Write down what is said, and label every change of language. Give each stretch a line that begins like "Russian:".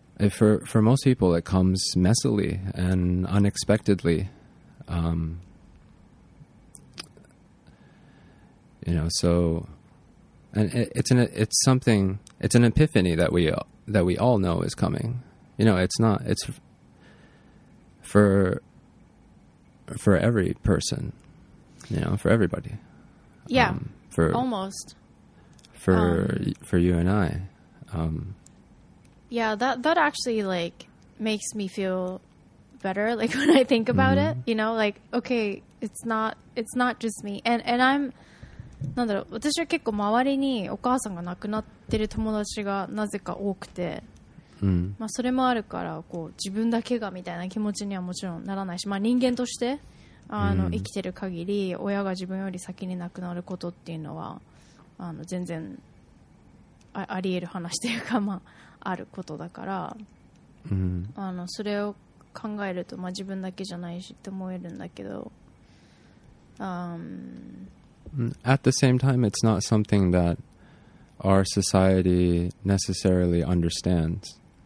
English: for most people, it comes messily and unexpectedly, you know, so, and it's something, it's an epiphany that we all know is coming, you know, it's for every person, you know, for everybody. Yeah, for almost. For you and I. Yeah, that actually, like, makes me feel better, like, when I think about mm-hmm. it. You know, like, okay, it's not just me. And I'm,
Japanese: なんだろう、私は結構周りにお母さんが亡くなってる友達がなぜか多くて。うんまあ、それもあるからこう自分だけがみたいな気持ちにはもちろんならないし、まあ、人間としてあの、うん、生きてる限り親が自分より先に亡くなることっていうのはあの全然あり得る話というか、まあ、あることだから、うん、あのそれを考えると、まあ、自分だけじゃないしって思えるんだけど、
English: At the same time it's not something that our society necessarily understands